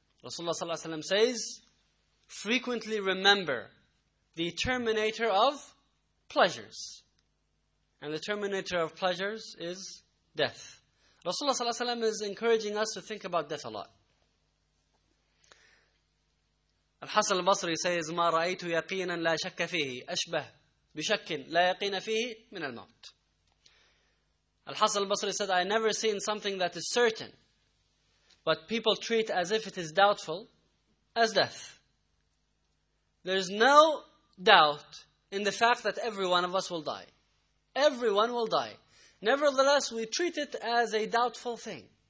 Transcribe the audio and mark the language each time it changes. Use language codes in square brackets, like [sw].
[en] Rasulullah صلى الله عليه وسلم says, frequently remember the terminator of pleasures. And the terminator of pleasures is death. Rasulullah sallallahu alayhi wa sallam is encouraging us to think about death a lot. [ar] Al-Hasan al-Basri says, مَا رَأَيْتُ يَقِينًا لَا شَكَّ فِيهِ أَشْبَهْ بِشَكٍ لَا يَقِينَ فِيهِ مِنَ الْمَوْتِ. [en] Al-Hasan al-Basri said, I never seen something that is certain, but people treat as if it is doubtful, as death. There is no doubt in the fact that every one of us will die. Everyone will die. Nevertheless, we treat it as a doubtful thing.